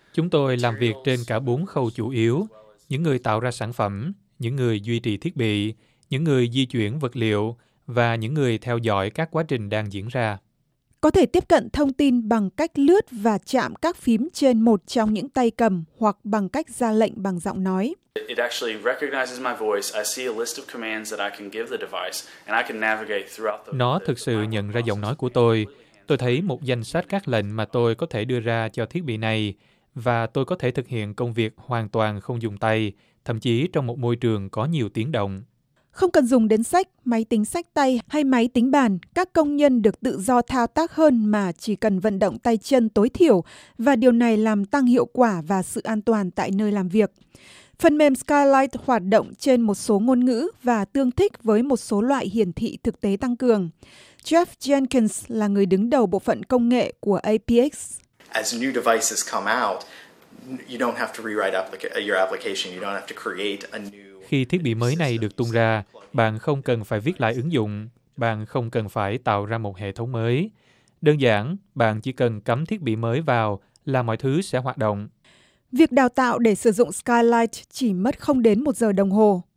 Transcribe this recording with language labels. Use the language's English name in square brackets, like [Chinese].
[Vietnamese] Chúng tôi làm việc trên cả bốn khâu chủ yếu. Những người tạo ra sản phẩm, những người duy trì thiết bị, những người di chuyển vật liệu và những người theo dõi các quá trình đang diễn ra. Có thể tiếp cận thông tin bằng cách lướt và chạm các phím trên một trong những tay cầm hoặc bằng cách ra lệnh bằng giọng nói. [English] It actually recognizes my voice. I see a list of commands that I can give the device and I can navigate throughout the. [Vietnamese] Nó thực sự nhận ra giọng nói của tôi. Tôi thấy một danh sách các lệnh mà tôi có thể đưa ra cho thiết bị này. Và tôi có thể thực hiện công việc hoàn toàn không dùng tay, thậm chí trong một môi trường có nhiều tiếng động. Không cần dùng đến sách, máy tính xách tay hay máy tính bàn, các công nhân được tự do thao tác hơn mà chỉ cần vận động tay chân tối thiểu, và điều này làm tăng hiệu quả và sự an toàn tại nơi làm việc. Phần mềm Skylight hoạt động trên một số ngôn ngữ và tương thích với một số loại hiển thị thực tế tăng cường. Jeff Jenkins là người đứng đầu bộ phận công nghệ của APX. [English] As new devices come out, you don't have to rewrite your application. You don't have to create a new. [Vietnamese] Khi thiết bị mới này được tung ra, bạn không cần phải viết lại ứng dụng, bạn không cần phải tạo ra một hệ thống mới. Đơn giản, bạn chỉ cần cắm thiết bị mới vào là mọi thứ sẽ hoạt động. Việc đào tạo để sử dụng Skylight chỉ mất không đến 1 giờ đồng hồ.